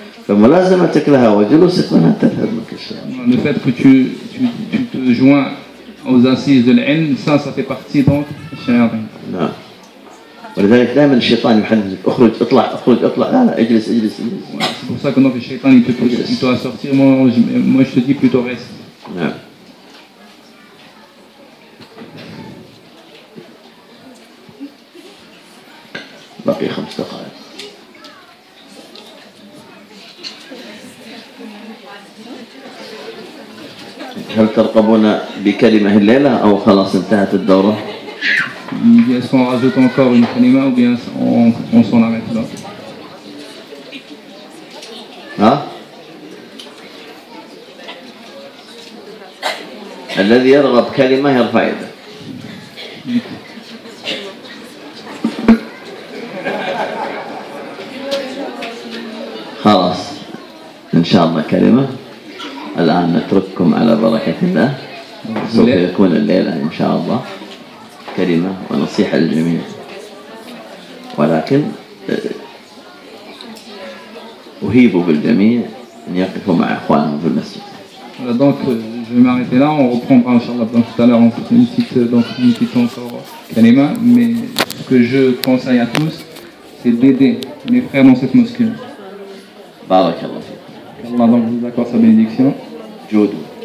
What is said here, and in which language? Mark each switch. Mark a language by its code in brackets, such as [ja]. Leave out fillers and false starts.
[ar] فملازمتك لها وجلوسك منها تذهب منك [fr] الشر. Le fait que tu te joins aux assises de l'ilm, ça fait partie donc des shayatin. [ar] ولذلك دائما الشيطان يحذرك اخرج اطلع اخرج اطلع لا لا اجلس اجلس اجلس. [fr] C'est pour ça que donc le shaytan il te pousse plutôt à sortir, moi je te dis plutôt reste. [ar] بقي خمس دقائق. هل ترقبون بكلمة الليلة أو خلاص انتهت الدورة؟ [fr] Est-ce qu'on rajoute encore une kalima ou bien on s'en arrête là? [ar] الذي يرغب كلمة يرفع يده. خلاص إن شاء الله كلمة. الآن نترككم على بركة الله. سوف يكون الليلة إن شاء الله كلمة ونصيحة للجميع. ولكن أهيب بالجميع أن يقفوا مع إخوانهم في المسجد. [fr] Voilà, donc je vais m'arrêter là, on reprendra inchallah tout à l'heure, on fait une petite encore kalima, mais ce que je conseille à tous, c'est d'aider mes frères dans cette mosquée. [ar] Barakallah. [fr] Allah donc vous accorde sa bénédiction. Jodo.